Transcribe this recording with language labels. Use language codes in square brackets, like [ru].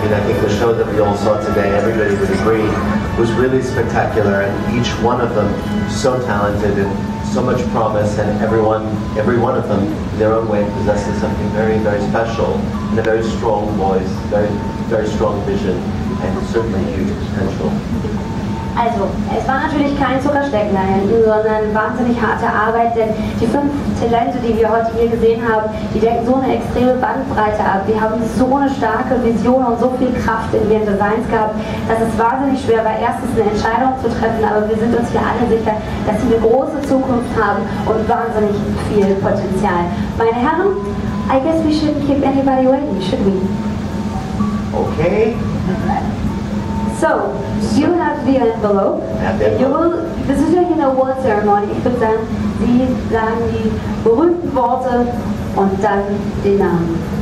[en] I mean, I think the show that we all saw today, everybody would agree, was really spectacular, and each one of them so talented and so much promise, and every one of them, in their own way, possesses something very, very special, and a very strong voice, very, very strong vision, and certainly huge potential. [de] Also, es war natürlich kein Zuckersteckenlein, sondern wahnsinnig harte Arbeit, denn die fünf Talente, die wir heute hier gesehen haben, die decken so eine extreme Bandbreite ab. Die haben so eine starke Vision und so viel Kraft in ihren Designs gehabt, dass es wahnsinnig schwer war, erstens eine Entscheidung zu treffen, aber wir sind uns hier alle sicher, dass sie eine große Zukunft haben und wahnsinnig viel Potenzial. Meine Herren, [en] I guess we shouldn't keep anybody waiting, should we? Okay. So, you have the envelope. You will, this is like an award ceremony. [de] Ich würde sagen, Sie sagen die berühmten Worte und dann den Namen.